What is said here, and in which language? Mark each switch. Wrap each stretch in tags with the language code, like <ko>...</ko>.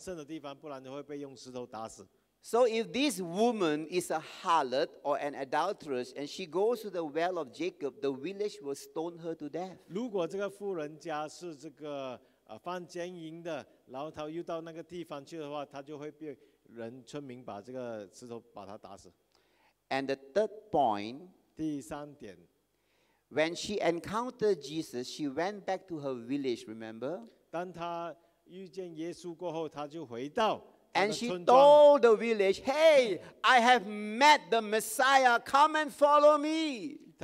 <zh>这个摩西的律法也有记载说，如果那些不洁净的或者犯奸淫的、有罪的人，不能到那个神圣的地方，不然会被用石头打死。</zh> <en>So if this woman is a harlot or an adulteress and she goes to the well of Jacob, the village will stone her to death.</en> <zh>如果这个妇人家是这个 犯奸淫的，然后他又到那个地方去的话，他就会被人村民把这个石头把他打死。</zh> <en>And the third point,</en> <zh>第三点,</zh> <en>when she encountered Jesus, she went back to her village, remember?</en> <zh>当她遇见耶稣过后，她就回到</zh> <en>And she told the village, hey, I have met the Messiah, come and follow me.</en>